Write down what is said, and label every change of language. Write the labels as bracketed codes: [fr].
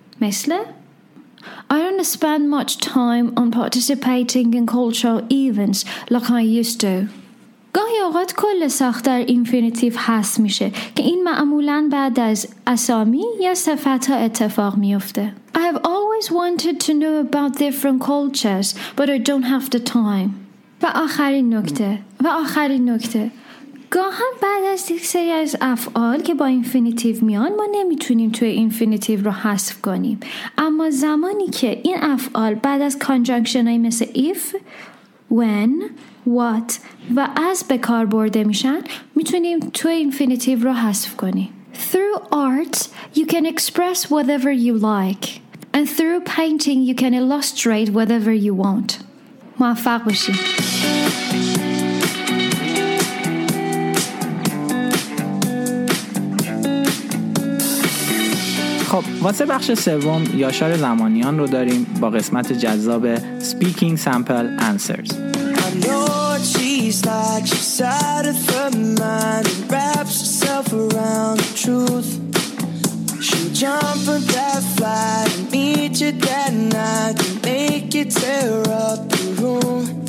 [fa] مثل [en] I don't spend much time on participating in cultural events like I used to. [fa] گاهی اوقات کل ساختار اینفینیتیو حذف میشه که این معمولاً بعد از اسامی یا صفت ها اتفاق میفته. [en] I have always wanted to know about different cultures, but I don't have the time. [fa] و آخرین نکته. گاهن بعد از یک سری از افعال که با اینفینیتیو میان ما نمیتونیم توی اینفینیتیو رو حذف کنیم. اما زمانی که این افعال بعد از کانجنکشن های مثل if، when، what و as به کار برده میشن میتونیم توی اینفینیتیو رو حذف کنیم. [en] Through art, you can express whatever you like. And through painting, you can illustrate whatever you want. [fa] موفق باشید. خب، واسه بخش سوم یاشار زمانیان رو داریم با قسمت جذاب Speaking Sample Answers. [en] She's like she's out of her mind and wraps herself around the truth. She'll jump on that flight and meet you that night and make you tear up the room.